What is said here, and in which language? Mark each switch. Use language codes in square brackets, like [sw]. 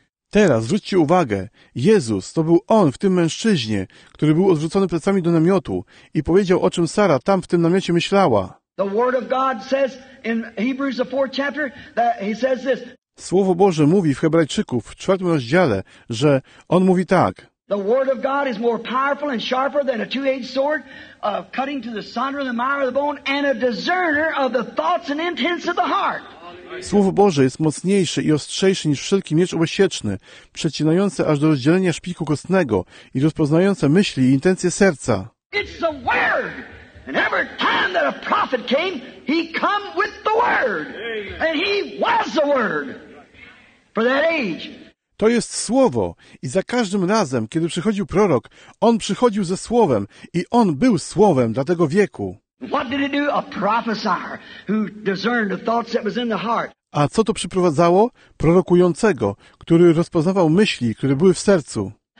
[pl] Teraz zwróćcie uwagę, Jezus, to był On w tym mężczyźnie, który był odwrócony plecami do namiotu i powiedział, o czym Sara tam w tym namiocie myślała. [en] The word of God says in Hebrews the fourth chapter that he says this. [pl] Słowo Boże mówi w Hebrajczyków w 4 rozdziale, że on mówi tak. [en] The word of God is more powerful and sharper than a two-edged sword, cutting to the sunder of the marrow of the bone and a discerner of the thoughts and intents of the heart. [pl] Słowo Boże jest mocniejsze i ostrzejsze niż wszelki miecz obosieczny, przecinające aż do rozdzielenia szpiku kostnego i rozpoznające myśli i intencje serca. [en] It's the word. And every time that a prophet came, he come with the word. Amen. And he was the word for that age. [pl] To jest słowo i za każdym razem, kiedy przychodził prorok, on przychodził ze słowem i on był słowem dla tego wieku. [en] What did it do? A prophesier who discerned the thoughts that was in the heart. [pl] A co to przyprowadzało? Prorokującego, który rozpoznawał myśli, które były w sercu.